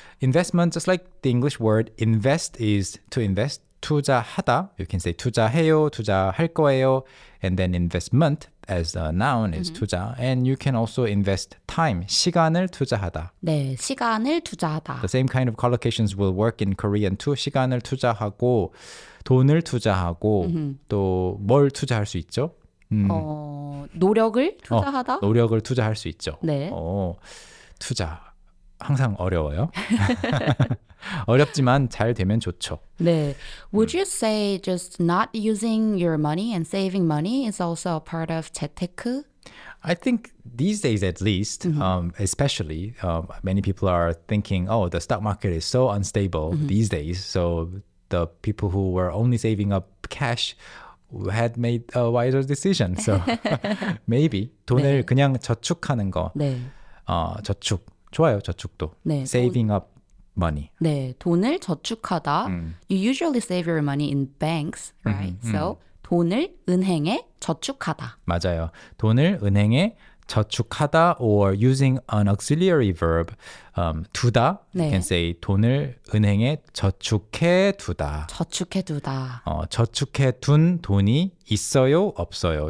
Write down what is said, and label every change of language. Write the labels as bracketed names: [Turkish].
[English] Investment, just like the English word, invest is to invest. [Korean] 투자하다. [English] You can say [Korean] 투자해요, 투자할 거예요. [English] And then investment as a noun is 투자. And you can also invest time. 시간을 투자하다. [Korean] 네, 시간을 투자하다. [English] The same kind of collocations will work in Korean too. [Korean] 시간을 투자하고, 돈을 투자하고, 또 뭘 투자할 수 있죠? 노력을 투자하다? 노력을 투자할 수 있죠. 네. 투자. 항상 어려워요. 어렵지만 잘 되면 좋죠. 네. [English] Would you say just not using your money and saving money is also a part of 재테크? I think these days at least, especially, many people are thinking, oh, the stock market is so unstable these days. So the people who were only saving up cash had made a wiser decision. So maybe [Korean] 돈을 네. 그냥 저축하는 거. 네. 저축. 좋아요, 저축도. 네, [English] Saving up money. [Korean] 네, 돈을 저축하다. [English] You usually save your money in banks, right? So [Korean] 돈을 은행에 저축하다. 맞아요. 돈을 은행에 저축하다 [English] or using an auxiliary verb, [Korean] 두다. 네. [English] You can say [Korean] 돈을 은행에 저축해 두다. 저축해 두다. 저축해 둔 돈이 있어요, 없어요.